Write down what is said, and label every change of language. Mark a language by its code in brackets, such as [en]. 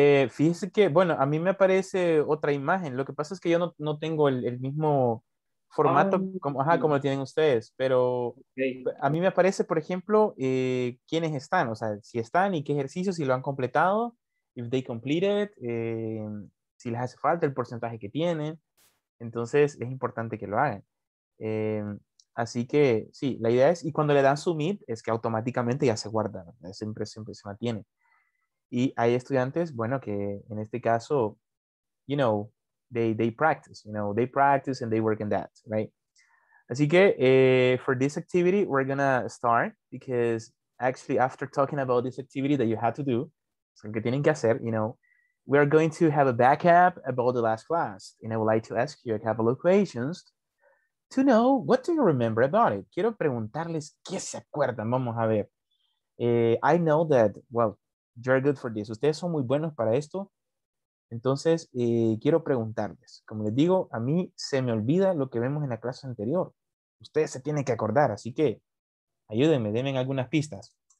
[es] Fíjese que, bueno, a mí me aparece otra imagen. Lo que pasa es que yo no tengo el mismo formato como lo tienen ustedes, pero okay. A mí me aparece, por ejemplo, quiénes están, o sea, si están y qué ejercicios, si lo han completado, [en] if they completed, [es] si les hace falta, el porcentaje que tienen. Entonces, es importante que lo hagan. Así que, sí, la idea es, y cuando le dan submit, es que automáticamente ya se guarda, ¿no? Siempre se mantiene. Y hay estudiantes, bueno, que en este caso, [en] you know, they practice, you know, they practice and they work on that, right? Así que, for this activity, we're gonna start, because actually, after talking about this activity that you had to do, [es] que tienen que hacer, [en] you know, we are going to have a backup about the last class, and I would like to ask you a couple of questions to know what do you remember about it. [es] Quiero preguntarles qué se acuerdan. Vamos a ver. [en] I know that, well, you're good for this. [es] Ustedes son muy buenos para esto. Entonces, quiero preguntarles. Como les digo, a mí se me olvida lo que vemos en la clase anterior. Ustedes se tienen que acordar, así que ayúdenme, denme algunas pistas.